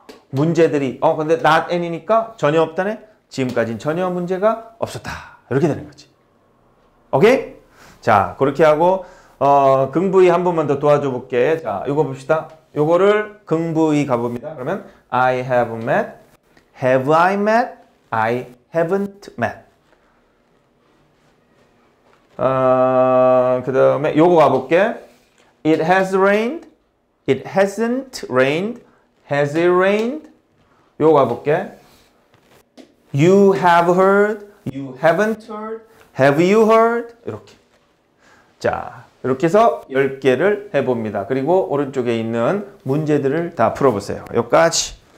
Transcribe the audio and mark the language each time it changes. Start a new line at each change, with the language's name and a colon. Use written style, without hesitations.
Korean: 문제들이 어 근데 not any니까 전혀 없다네. 지금까지는 전혀 문제가 없었다 이렇게 되는 거지. 오케이. 자, 그렇게 하고 긍부위 한 번만 더 도와줘 볼게. 자, 요거 봅시다. 요거를 긍부위 가봅니다. 그러면
English: I have met, have I met, I haven't met.
Korean: 그 다음에 요거 가볼게.
English: It has rained, it hasn't rained, has it rained?
Korean: 요거 가볼게.
English: You have heard, you haven't heard, have you heard?
Korean: 이렇게. 자, 이렇게 해서 10개를 해봅니다. 그리고 오른쪽에 있는 문제들을 다 풀어보세요. 여기까지.